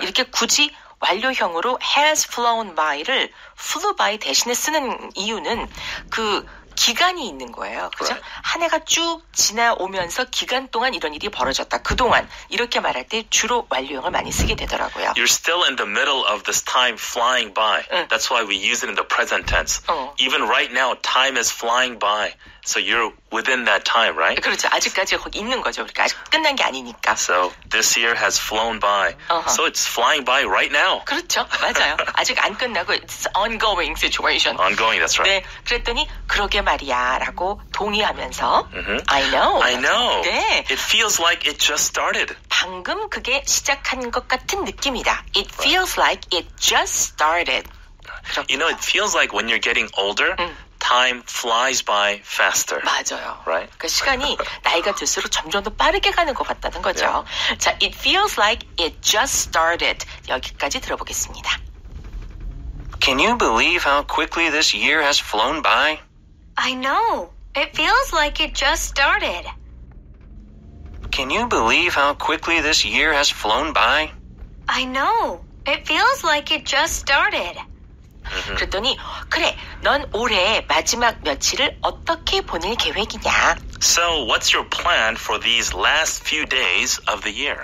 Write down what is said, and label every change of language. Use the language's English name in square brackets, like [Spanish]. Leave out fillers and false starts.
[Korean] 이렇게 굳이 완료형으로 has flown by를 flew by 대신에 쓰는 이유는 그 기간이 있는 거예요. 그죠? [English] Right. [Korean] 한 해가 쭉 지나오면서 기간 동안 이런 일이 벌어졌다. 그동안 이렇게 말할 때 주로 완료형을 많이 쓰게 되더라고요. [English] You're still in the middle of this time flying by. [Korean] 응. [English] That's why we use it in the present tense. [Korean] 어. [English] Even right now, time is flying by. So you're within that time, right? [Korean] 그렇죠. 아직까지 거기 있는 거죠. 그러니까 아직 끝난 게 아니니까. [English] So this year has flown by. Uh-huh. So it's flying by right now. [Korean] 그렇죠. 맞아요. 아직 안 끝나고 [English] it's ongoing situation. Ongoing, that's right. [Korean] 네. 그랬더니 그러게 말이야 라고 동의하면서 mm-hmm. [English] I know. I know. [Korean] 네. [English] It feels like it just started. [Korean] 방금 그게 시작한 것 같은 느낌이다. [English] It feels like it just started. [Korean] 그렇구나. [English] You know, it feels like when you're getting older, time flies by faster. [Korean] 맞아요. [English] Right? [Korean] 그 시간이 나이가 들수록 점점 더 빠르게 가는 것 같다는 거죠. [English] Yeah. 자, it feels like it just started. [Korean] 여기까지 들어보겠습니다. [English] Can you believe how quickly this year has flown by? I know. It feels like it just started. Can you believe how quickly this year has flown by? I know. It feels like it just started. Mm-hmm. [Korean] 그랬더니, 그래, 넌 올해 마지막 며칠을 어떻게 보낼 계획이냐? [English] So, what's your plan for these last few days of the year?